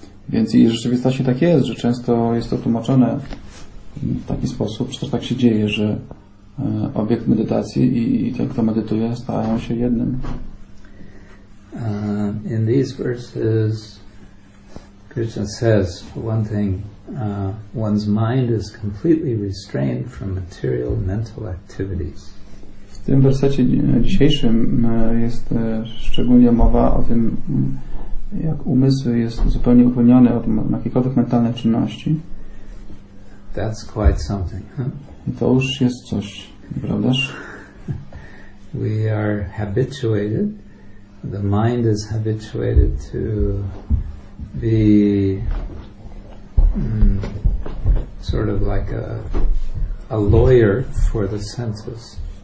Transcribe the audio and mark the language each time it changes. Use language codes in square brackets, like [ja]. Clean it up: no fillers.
[pl] Więc i rzeczywistości tak jest, że często jest to tłumaczone w taki sposób, czy też tak się dzieje, że obiekt medytacji i ten, kto medytuje, stają się jednym. [en] In these verses, Krishna says, for one thing, one's mind is completely restrained from material mental activities. [pl] W tym wersecie dzisiejszym jest szczególnie mowa o tym, jak umysł jest zupełnie uwolniony od jakichkolwiek mentalnych czynności. [en] That's quite something, huh? [pl] I to już jest coś, prawdaż? [en] We are habituated. The mind is habituated to be sort of like a lawyer for the senses.